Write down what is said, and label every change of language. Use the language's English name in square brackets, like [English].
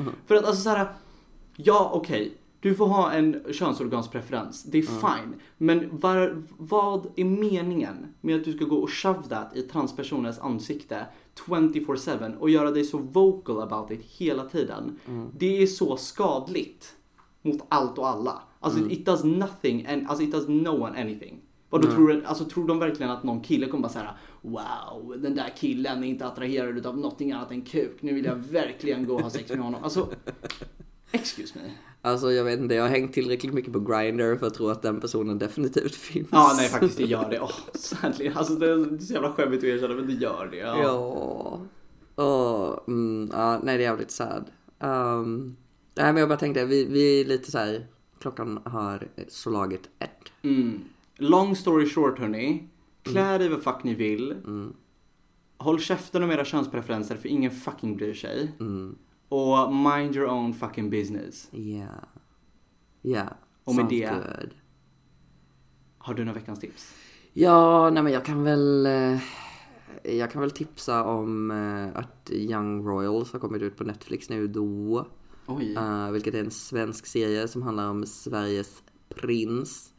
[Swedish] För att alltså såhär, ja okej, okay, du får ha en könsorganspreferens. Det är fine. Men vad är meningen med att du ska gå och shove that i transpersonens ansikte 24/7 och göra dig så vocal about it hela tiden? Det är så skadligt. Mot allt och alla. [English] Alltså it does nothing and alltså it does no one anything. [Swedish] Vad då tror du, alltså tror de verkligen att någon kille kommer bara säga wow, den där killen är inte attraherad utav någonting annat än kuk. Nu vill jag verkligen gå och ha sex med honom. [English] Alltså excuse me. [Swedish] Alltså jag vet inte, jag har hängt tillräckligt mycket på Grindr för att tro att den personen definitivt finns. Ja, nej faktiskt, det gör det. Åh, sannolikt. Alltså det är så jävla skämmigt att erkänna, men det gör det. Ja. Nej, det är jävligt sad. Nej, men jag bara tänkte, vi är lite så här, klockan har slagit ett. Mm. Long story short, hörni. Klä dig vad fuck ni vill. Mm. Håll käften om era könspreferenser, för ingen fucking bryr sig. Mm. [English] Och mind your own fucking business. Yeah. Yeah. [Swedish] Och med det, sounds good. Har du några veckans tips? Ja, nej men jag kan väl tipsa om att Young Royals har kommit ut på Netflix nu då. Oj. Vilket är en svensk serie som handlar om Sveriges prins.